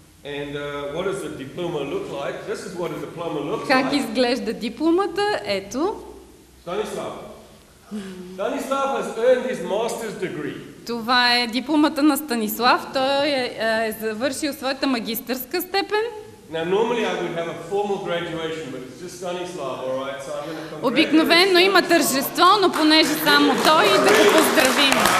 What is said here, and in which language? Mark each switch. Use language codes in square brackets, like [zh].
[en] And what does the diploma look like? This is what a diploma looks [bg] like. Как изглежда дипломата? Ето. [en] Станислав. Станислав has earned his master's degree. [bg] Това е дипломата на Станислав. Той е завършил своята магистърска степен. [en] Now normally I would have a formal graduation, but it's just Станислав, all right? So I'm going to congratulate. [bg] Обикновено има тържество, но понеже само той, да го поздравим.